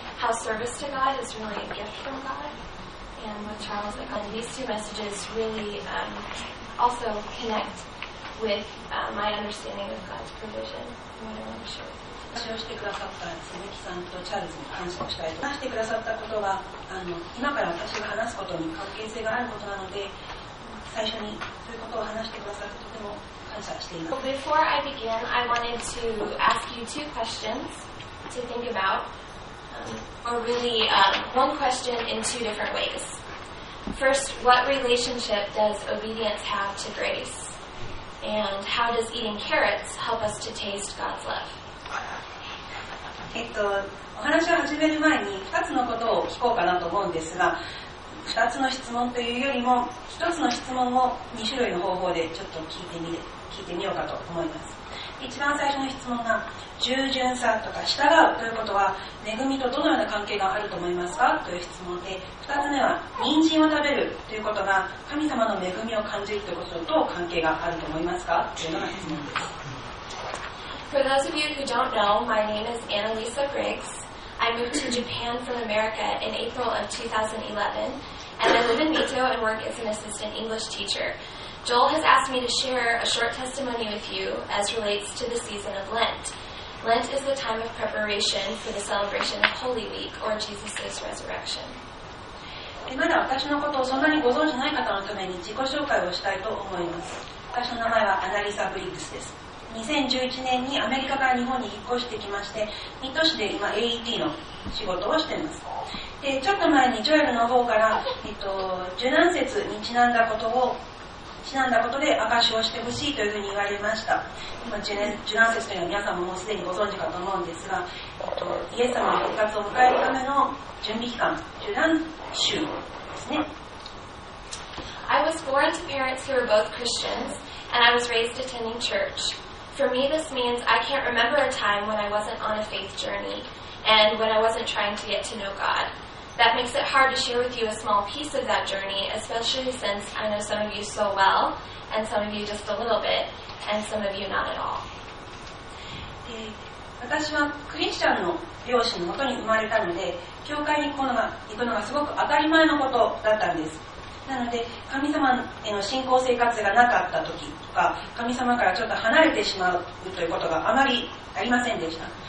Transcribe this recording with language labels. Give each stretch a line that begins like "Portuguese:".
English: Service to God is really a gift from God, and with Charles and Glenn, these two messages really also connect with my understanding of God's provision. What I want to share with you.
Japanese: 私をしてくださった鈴木さんとチャールズに感謝をしたいと、話してくださったことは今から私が話すことに関係性があることなので、最初にそういうことを話してくださってとても感謝しています。
English: Well, before I begin, I wanted to ask you two questions to think aboutOr really, one question in two different ways. First, what relationship does obedience have to grace? And how does eating carrots help us to taste God's love?
Japanese: お話を始める前に2つのことを聞こうかなと思うんですが、2つの質問というよりも1つの質問を2種類の方法でちょっと聞いてみようかと思います。一番最初の質問が、従順さとか従うということは恵みとどのような関係があると思いますかという質問で、二つ目は人参を食べるということが神様の恵みを感じるということとどう関係があると思いますかというのが質問です。
English: For those of you who don't know, my name is Annalisa Griggs. I moved to Japan from America in April of 2011 and I live in Mito and work as an assistant English teacherJoel has asked me to share a short testimony with you as relates to the season of Lent. Lent is the time of preparation for the celebration of Holy Week, or Jesus' resurrection.
Japanese: まだ私のことをそんなにご存じない方のために自己紹介をしたいと思います。私の名前はアナリサ・ブリッグスです。2011年にアメリカから日本に引っ越してきまして、水戸市で今 AET の仕事をしています。で、ちょっと前にジョエルの方から、受難節にちなんだことをちなんだことで証しをしてほしいというふうに言われました。今受難節というのは皆さん もうすでにご存知かと思うんですが、イエス様の復活を迎えるための準備期間、受難週ですね。
English: I was born to parents who were both Christians and I was raised attending church. For me this means I can't remember a time when I wasn't on a faith journey and when I wasn't trying to get to know GodThat makes it hard to share with you a small piece of that journey, especially since I know some of you so well, and some of you just a little bit, and some of you not at all.
Japanese: 私はクリスチャンの両親のもとに生まれたので、教会に行くのがすごく当たり前のことだったんです。なので、神様への信仰生活がなかった時とか、神様からちょっと離れてしまうということがあまりありませんでした。